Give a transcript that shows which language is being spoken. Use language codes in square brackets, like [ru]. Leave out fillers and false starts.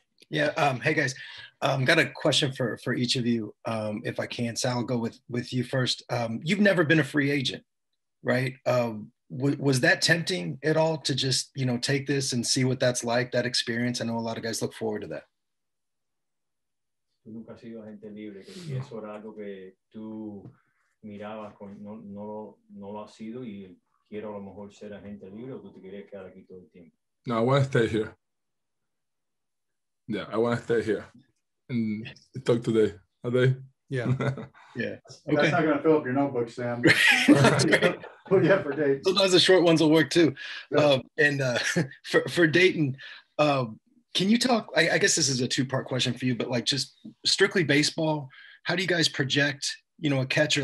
[en] Yeah. Hey, guys. Got a question for each of you, if I can. Sal, I'll go with you first. You've never been a free agent, right? Was that tempting at all to just, you know, take this and see what that's like, that experience? I know a lot of guys look forward to that. [es] Tú nunca has sido agente libre, que eso era algo que tú mirabas, no lo has sido, y quiero a lo mejor ser agente libre, o tú te querías quedar aquí todo el tiempo. [en] No, I want to stay here. Yeah, I want to stay here and talk today. Are they? Yeah. Okay. That's not going to fill up your notebook, Sam. That's great. Put you up for Dayton. Sometimes the short ones will work too. Yeah. For Dayton, can you talk, I guess this is a two-part question for you, but like just strictly baseball, how do you guys project, you know, a catcher?